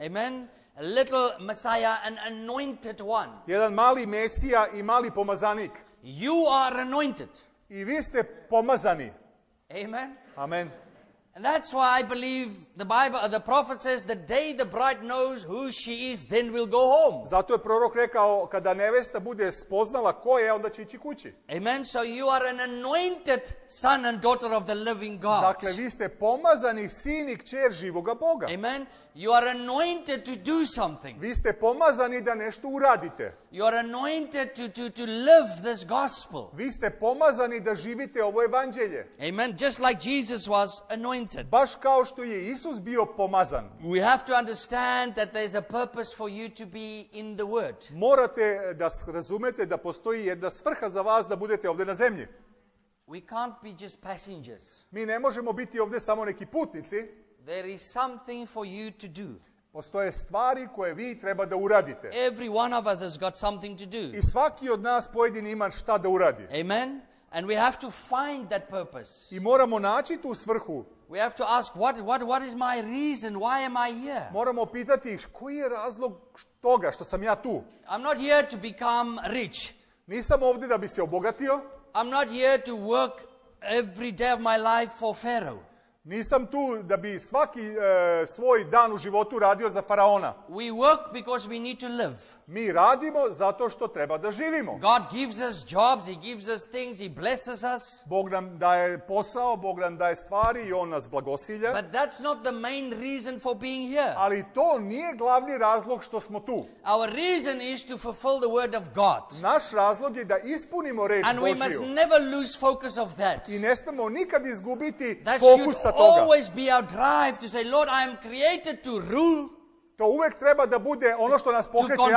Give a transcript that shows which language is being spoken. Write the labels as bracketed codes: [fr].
[en] Amen. A little messiah, an anointed one. [sr] Jedan mali mesija i mali pomazanik. [en] You are anointed. [sr] I vi ste pomazani. Amen. Amen. [en] And that's why I believe the Bible, the prophet says, the day the bride knows who she is, then we'll go home. [sr] Zato je prorok rekao, kada nevesta bude spoznala ko je, onda će ići kući. Amen. [en] So you are an anointed son and daughter of the living God. [sr] Dakle, vi ste pomazani sin i kćer živoga Boga. Amen. [en] You are anointed to do something. [sr] Vi ste pomazani da nešto uradite. [en] You are anointed to live this gospel. [sr] Vi ste pomazani da živite ovo evanđelje. Amen. [en] Just like Jesus was anointed. [sr] Baš kao što je Isus bio pomazan. [en] We have to understand that there is a purpose for you to be in the word. [sr] Morate da razumete da postoji jedna svrha za vas da budete ovde na zemlji. [en] We can't be just passengers. [sr] Mi ne možemo biti ovde samo neki putnici. [en] There is something for you to do. [sr] Postoje stvari koje vi treba da uradite. [en] Every one of us has got something to do. [sr] I svaki od nas pojedini ima šta da uradi. Amen. [en] And we have to find that purpose. [sr] I moramo naći tu svrhu. [en] We have to ask what is my reason, why am I here? [sr] Moramo pitati koji je razlog toga što sam ja tu. [en] I'm not here to become rich. [sr] Nisam ovde da bi se obogatio. [en] I'm not here to work every day of my life for Pharaoh. [sr] Nisam tu da bi svaki svoj dan u životu radio za faraona. [en] We work because we need to live. [sr] Mi radimo zato što treba da živimo. [en] God gives us jobs, he gives us things, he blesses us. [sr] Bog nam daje posao, Bog nam daje stvari i on nas blagosilja. [en] But that's not the main reason for being here. [sr] Ali to nije glavni razlog što smo tu. [en] Our reason is to fulfill the word of God. [sr] Naš razlog je da ispunimo reč Božiju. [en] And we must never lose focus of that. [sr] I ne smemo nikad izgubiti [en] that [sr] fokus sa toga. [en] Should always be our drive to say, Lord, I am created to rule. [sr] To uvek treba da bude ono što nas pokreće.